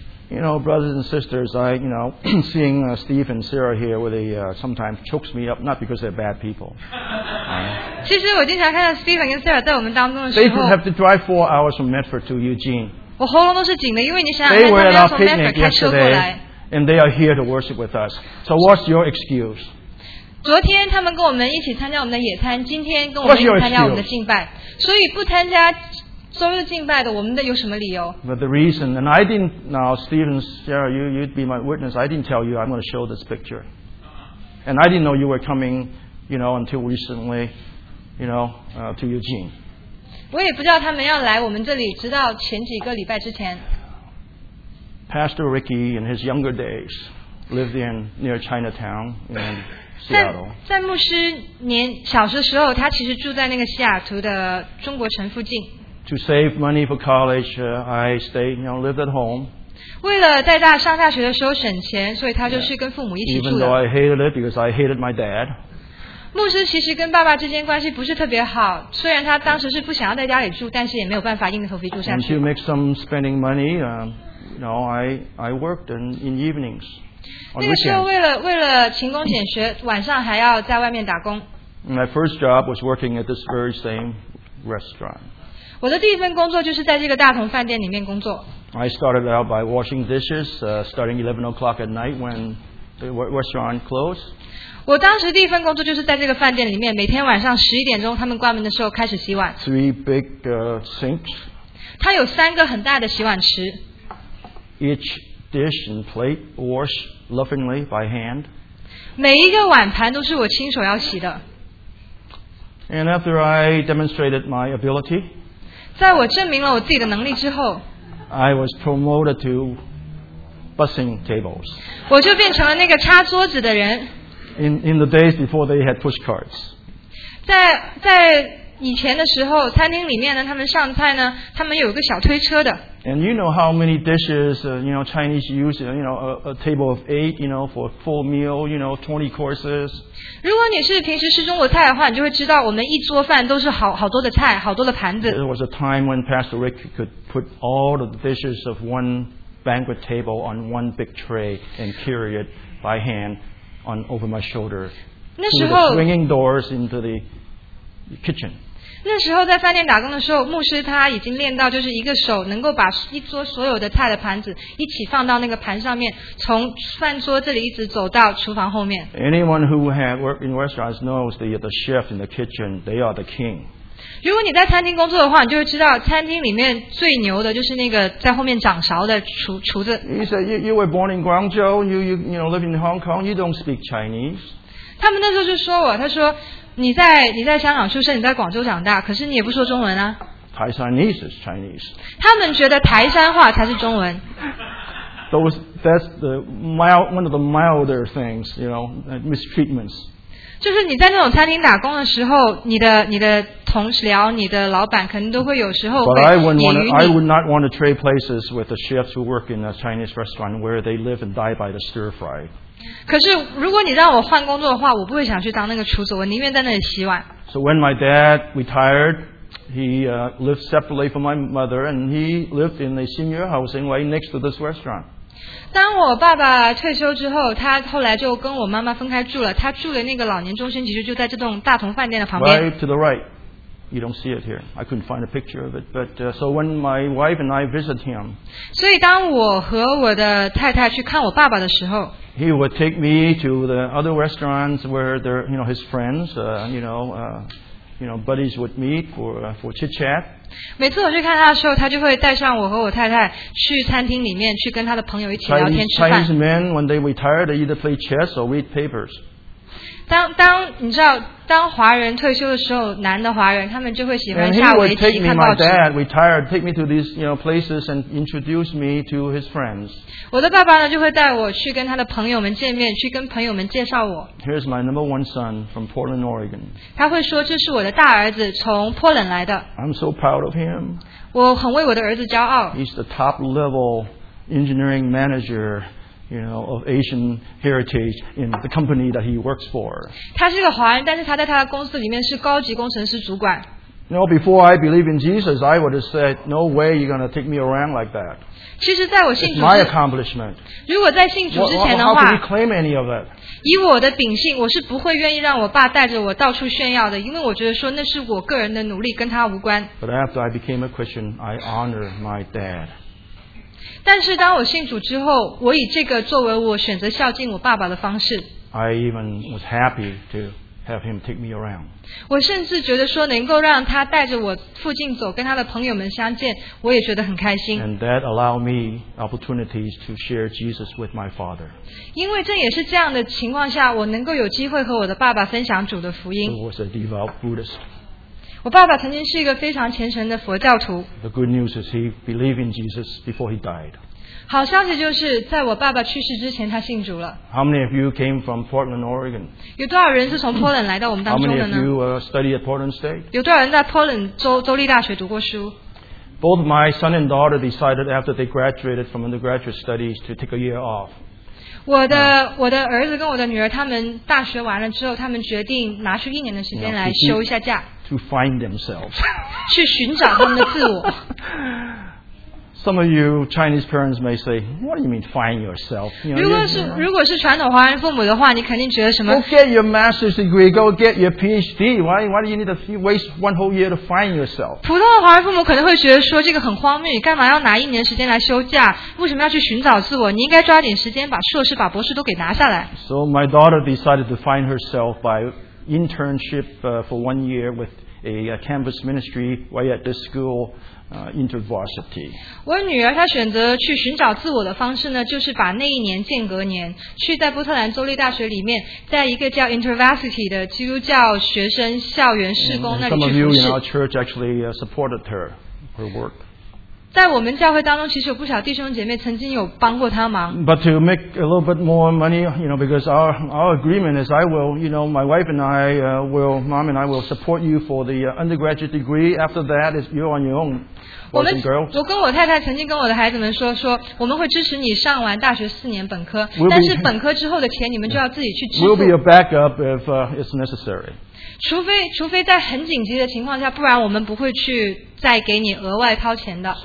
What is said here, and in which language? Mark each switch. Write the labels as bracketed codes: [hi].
[en] You know, brothers and sisters, seeing Steve and Sarah here with a sometimes chokes me up, not because they're bad people. [zh] 其实我经常看到 Steve 跟 Sarah 在我们当中的时候 [en] ，They have to drive 4 hours from Medford to Eugene. [zh] 我喉咙都是紧的，因为你想想看，他们要从 Medford 开车过来 [en] ，and they are here to worship with us. So what's your excuse? [zh] 昨天他们跟我们一起参加我们的野餐，今天跟我们一起参加我们的敬拜。所以不参加周日敬拜的，我们的有什么理由？ [en] But the reason, and I didn't, now Stephen, Sarah, you'd be my witness, I didn't tell you I'm going to show this picture. And I didn't know you were coming, you know, until recently, you know, to Eugene. [zh] 我也不知道他们要来我们这里，直到前几个礼拜之前。 [en] Pastor Ricky in his younger days lived in near Chinatown in Seattle. [zh] 在牧师年小的时候，他其实住在那个西雅图的中国城附近。 [en] To save money for college, I stayed, you know, lived at home. [zh] 为了在大上大学的时候省钱，所以他就是跟父母一起住的。 [en] Even though I hated it because I hated my dad. [zh] 牧师其实跟爸爸之间关系不是特别好，虽然他当时是不想要在家里住，但是也没有办法硬着头皮住下去。 [en] And to make some spending money, you know, I worked in evenings. [zh] 那个时候为了勤工俭学，晚上还要在外面打工。 [en] My first job was working at this very same restaurant. [zh] 我的第一份工作就是在这个大同饭店里面工作。 [en] I started out by washing dishes, starting 11 o'clock at night when the restaurant closed. [zh] 我当时第一份工作就是在这个饭店里面，每天晚上11点钟他们关门的时候开始洗碗。 [en] Three big sinks. [zh] 它有三个很大的洗碗池。 [en] Each dish and plate washed lovingly by hand. [zh] 每一个碗盘都是我亲手要洗的。 [en] And after I demonstrated my ability, [zh] 在我证明了我自己的能力之后 [en] I was promoted to busing tables. [zh] 我就变成了那个插桌子的人 [en] In the days before they had push carts. [zh] 在以前的时候餐厅里面呢他们上菜呢他们有一个小推车的 [en] And you know how many dishes, you know, Chinese use, you know, a table of eight, you know, for a full meal, you know, 20 courses. [zh] 如果你是平时吃中国菜的话你就会知道我们一桌饭都是好多的菜好多的盘子 [en] There was a time when Pastor Rick could put all of the dishes of one banquet table on one big tray and carry it by hand on over my shoulder [zh] 那时候 [en] through the swinging doors into the kitchen. [zh] 那时候在饭店打工的时候牧师他已经练到就是一个手能够把一桌所有的菜的盘子一起放到那个盘上面从饭桌这里一直走到厨房后面 [en] Anyone who had worked in restaurants knows the chef in the kitchen they are the king [zh] 如果你在餐厅工作的话你就会知道餐厅里面最牛的就是那个在后面掌勺的厨子 [en] He said you were born in Guangzhou you know, live in Hong Kong you don't speak Chinese [zh] 他们那时候就说我他说你在香港出生，你在广州长大，可是你也不说中文啊。 [en] Taiwanese is Chinese. [zh] 他们觉得台山话才是中文。 [en] That's the mild one of the milder things, you know, mistreatments. [zh] 就是你在那种餐厅打工的时候，你的同事聊，你的老板可能都会有时候会揶揄你。 [en] But I would not want to trade places with the chefs who work in a Chinese restaurant where they live and die by the stir fry. [zh] 可是如果你让我换工作的话我不会想去当那个厨子我宁愿在那里洗碗 [en] So when my dad retired he lived separately from my mother and he lived in a senior housing right next to this restaurant [zh] 当我爸爸退休之后他后来就跟我妈妈分开住了他住的那个老年中心其实就在这栋大同饭店的旁边 [en] Right to the right You don't see it here I couldn't find a picture of it But so when my wife and I visit him [zh] 所以当我和我的太太去看我爸爸的时候 [en] He would take me to the other restaurants where there, you know, his friends, buddies would meet for chit chat. [zh] 每次我去看他的时候，他就会带上我和我太太去餐厅里面去跟他的朋友一起聊天吃饭。 [en] Chinese men, when they retire, they either play chess or read papers. [zh] 当你知道，当华人退休的时候，男的华人他们就会喜欢下围棋、看报纸。 [en] And he would take me, my dad retired, take me to these, you know, places and introduce me to his friends. [zh] 我的爸爸呢就会带我去跟他的朋友们见面，去跟朋友们介绍我。 [en] Here's my number one son from Portland, Oregon. [zh] 他会说这是我的大儿子从波兰来的。 [en] I'm so proud of him. [zh] 我很为我的儿子骄傲。 [en] He's the top level engineering manager. You know, of Asian heritage in the company that he works for. [zh] 他是个华人，但是他在他的公司里面是高级工程师主管。 [en] No, before I believe in Jesus, I would have said, "No way, you're going to take me around like that." [zh] 其实，在我信主是 [en] my accomplishment. [zh] 如果在信主之前的话 [en] how can you claim any of it? [zh] 以我的秉性，我是不会愿意让我爸带着我到处炫耀的，因为我觉得说那是我个人的努力，跟他无关。 [en] But after I became a Christian, I honor my dad. [zh] 但是当我信主之后，我以这个作为我选择孝敬我爸爸的方式。 [en] I even was happy to have him take me around. [zh] 我甚至觉得说能够让他带着我附近走，跟他的朋友们相见，我也觉得很开心。 [en] And that allowed me opportunities to share Jesus with my father. [zh] 因为这也是这样的情况下，我能够有机会和我的爸爸分享主的福音。 [en] He was a devout Buddhist. [zh] 我爸爸曾经是一个非常虔诚的佛教徒。 [en] The good news is he believed in Jesus before he died. [zh] 好消息就是在我爸爸去世之前他信主了。 [en] How many of you came from Portland, Oregon? [zh] 有多少人是从 Portland 来到我们当中的呢? [en] How many of you studied at Portland State? [zh] 有多少人在 Portland 州立大学读过书? [en] Both my son and daughter decided after they graduated from undergraduate studies to take a year off. [zh] 我的儿子跟我的女儿他们大学完了之后他们决定拿出一年的时间来休一下假。 [en] To find themselves. [zh] 去寻找他们的自我。 [en] Some of you Chinese parents may say, what do you mean find yourself? You [zh] know, 如果是传统华人父母的话，你肯定觉得什么 [en] ？Go get your master's degree, go get your PhD. Why do you need to waste one whole year to find yourself? [zh] 普通的华人父母可能会觉得说这个很荒谬，干嘛要拿一年时间来休假？为什么要去寻找自我？你应该抓点时间把硕士、把博士都给拿下来。 [en] So my daughter decided to find herself by internship for 1 year with a campus ministry while at this school. InterVarsity. [zh] 我女儿她选择去寻找自我的方式呢，就是把那一年间隔年去在波特兰州立大学里面，在一个叫 InterVarsity 的基督教学生校园事工那里去服 [en] 侍。Some of you in our church actually supported her work. [zh] 在我们教会当中，其实有不少弟兄姐妹曾经有帮过她忙。 [en] But to make a little bit more money, you know, because our agreement is, I will, you know, my wife and I will, mom and I will support you for the undergraduate degree. After that, is you're on your own. [zh] 我跟我太太曾经跟我的孩子们说我们会支持你上完大学四年本科，但是本科之后的钱你们就要自己去支付。 [en] We'll be your backup if it's necessary. [zh] 除非在很紧急的情况下，不然我们不会去再给你额外掏钱的。